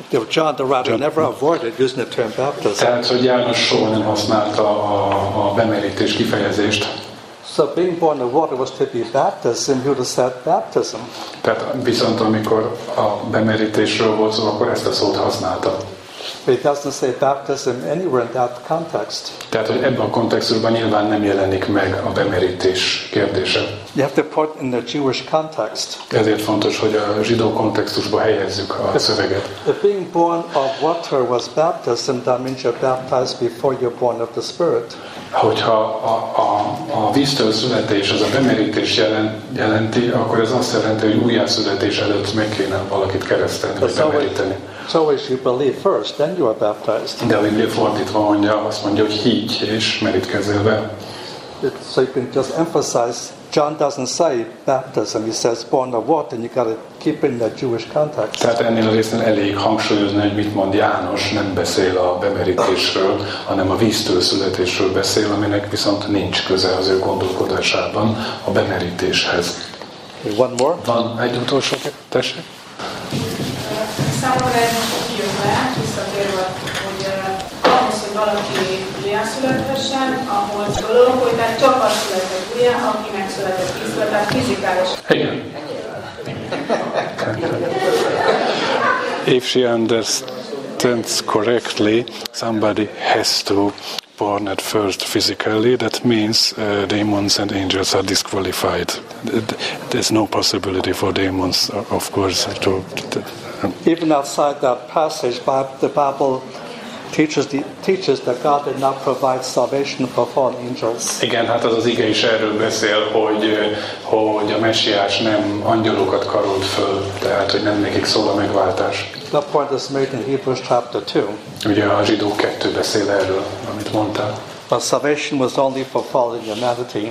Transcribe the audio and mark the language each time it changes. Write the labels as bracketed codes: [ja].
[en] John the writer never avoided using the term baptism. [hu] Tehát, hogy János soha nem használta a bemerítés kifejezést. [en] So being born of water was to be baptism, you would have said baptism. [hu] Tehát viszont amikor a bemerítésről volt szó, akkor ezt a szót használta. [en] But it doesn't say baptism anywhere in that context. [hu] Tehát, hogy ebben a kontextusban nyilván nem jelenik meg a bemerítés kérdése. [en] You have to put in the Jewish context. [hu] Ezért fontos, hogy a zsidó kontextusba helyezzük a szöveget. [en] If being born of water was baptism, that means you're baptized before you're born of the Spirit. [hu] Hogyha a víztől születés az a bemerítés jelenti, akkor ez azt jelenti, hogy újjászületés előtt meg kéne valakit keresztelni, hogy bemeríteni. [en] So as you believe first, then you are baptized. [hu] De a Biblia fordítva mondja, azt mondja, hogy higgy és merítkezzél be. [en] So you can just emphasize, John doesn't say baptism, he says born of water, and you got to keep in that Jewish context. [hu] Tehát ennél a részen elég hangsúlyozni, hogy mit mond János, nem beszél a bemerítésről, hanem a víztől születésről beszél, aminek viszont nincs köze az ő gondolkodásában a bemerítéshez. [en] One more. [hu] Van egy utolsó, tessék. Számomra ez most kijön be, visszatérve, hogy ahhoz, hogy valaki újjászülethessen, ahhoz gondolom, hogy már csak az született újjá, aki megszületett tízből, tehát fizikális. Igen. [en] If she understands correctly, somebody has to born at first physically, that means demons and angels are disqualified. There's no possibility for demons, of course. Even outside that passage, the Bible teaches that God did not provide salvation for fallen angels. [hu] Igen, hát az ige is erről beszél, hogy a Messiás nem angyalokat karolt föl, tehát hogy nem nekik szól a megváltás. [en] The point is made in Hebrews chapter 2. [hu] Ugye a Zsidó 2 beszél erről, amit mondtál. [en] But salvation was only for fallen humanity.